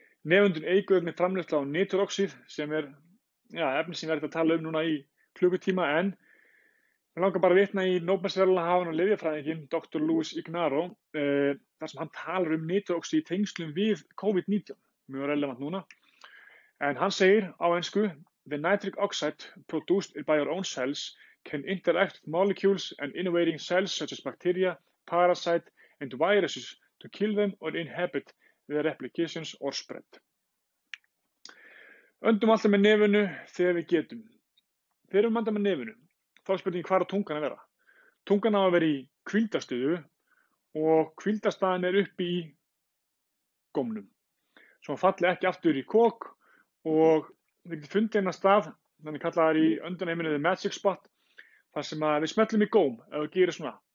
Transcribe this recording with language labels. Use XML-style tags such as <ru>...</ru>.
<is>Nefundun eigur með framleiðsla á nitróxíð sem er ja, efni sem verður að tala núna í klukkutíma en mér langar bara að vitna í Nóbelsverðlaunahafann og lyfjafræðinginn, Dr. Louis Ignaro, þar sem hann talar nitróxíð í tengslum við COVID-19, mjög relevant núna. En hann segir á ensku,</is> <en>the nitric oxide produced by your own cells can interact with molecules and innervating cells such as bacteria, parasite and viruses to kill them or inhibit their replications or spread.</en> <is>Öndum alltaf með nefinu þegar við getum. Þegar við öndum með nefinu, þá er spurning hvar á tungan að vera. Tungan á að vera í hvíldastöðu og hvíldastaðan er uppi í gómnum. Svo falli ekki aftur í kók og við getum fundið hennar stað, þannig við kallaðar í öndunaheiminu</is> <en>the magic spot,</en> <is>þar sem að við smellum í góm eða gerir svona.</is>